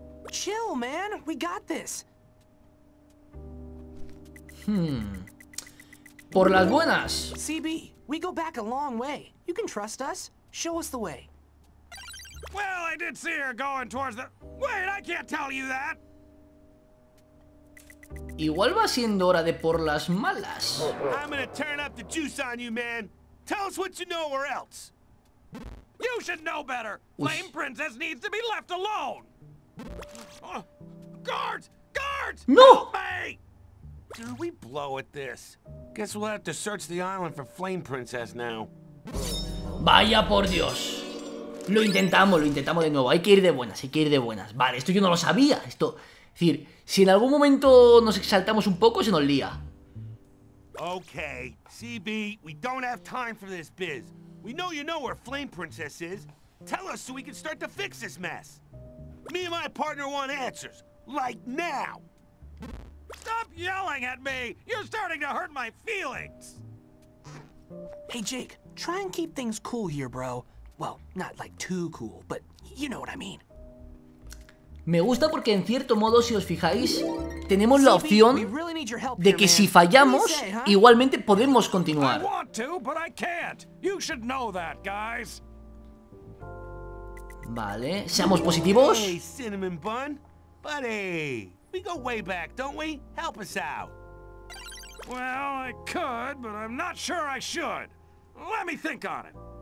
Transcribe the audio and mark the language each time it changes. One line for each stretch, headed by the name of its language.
English: Chill, man. We got this.
Spanish: Por las buenas.
English: CB, we go back a long way. You can trust us. Show us the way. Well, I did see her going towards the... Wait, I can't tell you that.
Spanish: Igual va siendo hora de por las malas.
English: I'm gonna turn up the juice on you, man. Tell us what you know or else. You should know better. Flame Princess needs to be left alone. Guards! Guards! No! Hey! Dude, we blow at this. Guess we'll have to search the island for Flame Princess now.
Spanish: Vaya por Dios. Lo intentamos de nuevo. Hay que ir de buenas, hay que ir de buenas. Vale, esto yo no lo sabía. Esto, es decir, si en algún momento nos exaltamos un poco, se nos lía.
English: Okay, CB, we don't have time for this biz. We know you know where Flame Princess is. Tell us so we can start to fix this mess. Me and my partner want answers, like now. Stop yelling at me. You're starting to hurt my feelings. Hey, Jake, try and keep things cool here, bro. Well, not like too cool, but you know what I mean.
Spanish: Me gusta porque en cierto modo, si os fijáis, tenemos la opción de que si fallamos, igualmente podemos continuar.
English: I want to, but I can't. You should know that, guys.
Spanish: Vale, seamos positivos.
English: Hey, Cinnamon Bun. Buddy, we go way back, don't we? Help us out. Well, I could, but I'm not sure I should. Let me think on it.